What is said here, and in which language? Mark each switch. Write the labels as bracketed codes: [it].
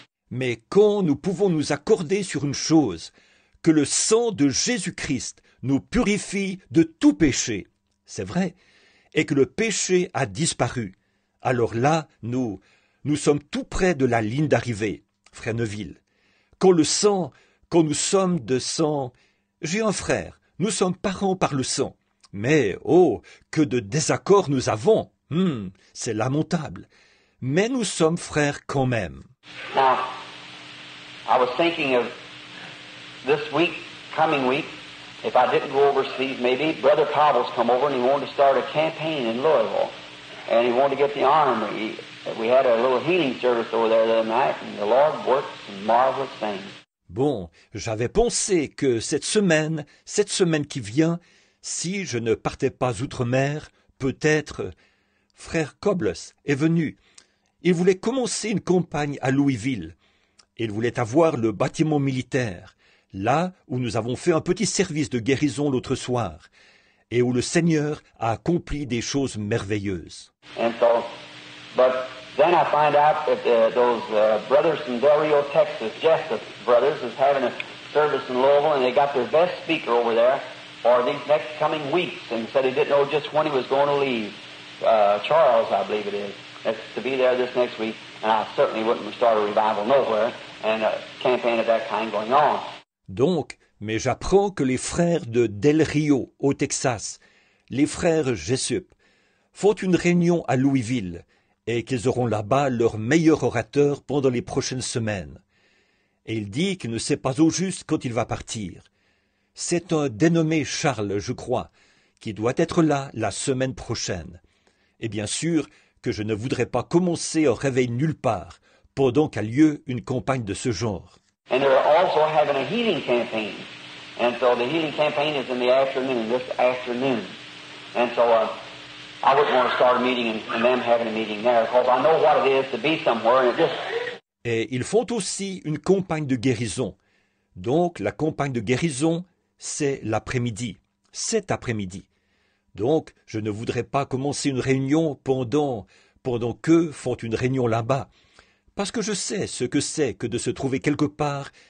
[fr] Mais quand nous pouvons nous accorder sur une chose, que le sang de Jésus-Christ nous purifie de tout péché, c'est vrai, et que le péché a disparu, alors là, nous sommes tout près de la ligne d'arrivée, frère Neuville. Quand nous sommes de sang, j'ai un frère, nous sommes parents par le sang. Mais, oh, que de désaccords nous avons! C'est lamentable. Mais nous sommes frères quand même. [en] Now, I was thinking of this week, coming week, if I didn't go overseas, maybe Brother Pavel's come over and he wanted to start a campaign in Louisville. And he wanted to get the army. We had a little healing service over there the other night and the Lord worked some marvelous things. [fr] Bon, j'avais pensé que cette semaine qui vient, si je ne partais pas outre-mer, peut-être frère Cobles est venu. Il voulait commencer une campagne à Louisville. Il voulait avoir le bâtiment militaire, là où nous avons fait un petit service de guérison l'autre soir, et où le Seigneur a accompli des choses merveilleuses. [en] And so, but then I find out that those brothers from Del Rio, Texas, Jessup brothers, is having a service in Louisville, and they got their best speaker over there for these next coming weeks, and said he didn't know just when he was going to leave. Charles, I believe it is, to be there this next week, and I certainly wouldn't start a revival nowhere, and a campaign of that kind going on. [fr] Donc, mais j'apprends que les frères de Del Rio, au Texas, les frères Jessup, font une réunion à Louisville, et qu'ils auront là-bas leur meilleur orateur pendant les prochaines semaines. Et il dit qu'il ne sait pas au juste quand il va partir. C'est un dénommé Charles, je crois, qui doit être là la semaine prochaine. Et bien sûr que je ne voudrais pas commencer un réveil nulle part pendant qu'a lieu une campagne de ce genre. [en] And they're also having a healing campaign. And so the healing campaign is in the afternoon, this afternoon. And so I wouldn't want to start a meeting and them having a meeting there, because I know what it is to be somewhere and it just... [fr] Et ils font aussi une campagne de guérison. Donc la campagne de guérison, c'est l'après-midi, cet après-midi. Donc, je ne voudrais pas commencer une réunion pendant qu'eux font une réunion là-bas. Parce que je sais ce que c'est que de se trouver quelque part